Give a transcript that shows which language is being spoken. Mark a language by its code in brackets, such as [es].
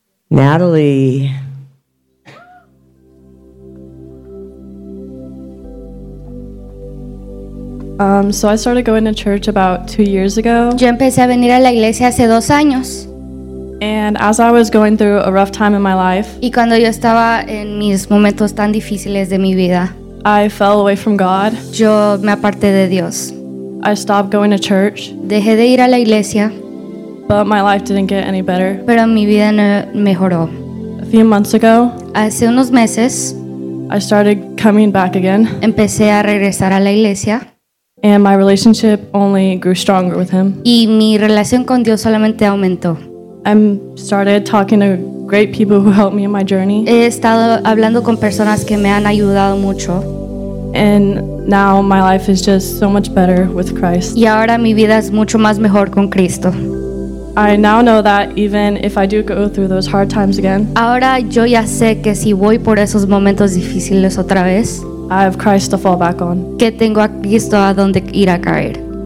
[en] Natalie. So I started going to church about 2 years ago. [es] Yo empecé a venir a la iglesia hace 2 años. [en] And as I was going through a rough time in my life, [es] y cuando yo estaba en mis momentos tan difíciles de mi vida, [en] I fell away from God. [es] Yo me aparté de Dios. [en] I stopped going to church. [es] Dejé de ir a la iglesia. [en] But my life didn't get any better. [es] Pero mi vida no mejoró. [en] A few months ago, [es] hace unos meses, [en] I started coming back again. [es] Empecé a regresar a la iglesia. [en] And my relationship only grew stronger with him. [es] Y mi relación con Dios solamente aumentó. [en] I started talking to great people who helped me in my journey. [es] He estado hablando con personas que me han ayudado mucho. [en] And now my life is just so much better with Christ. [es] Y ahora mi vida es mucho más mejor con Cristo. [en] I now know that even if I do go through those hard times again, [es] ahora yo ya sé que si voy por esos momentos difíciles otra vez, [en] I have Christ to fall back on. [es] Que tengo a Cristo a donde ir a caer.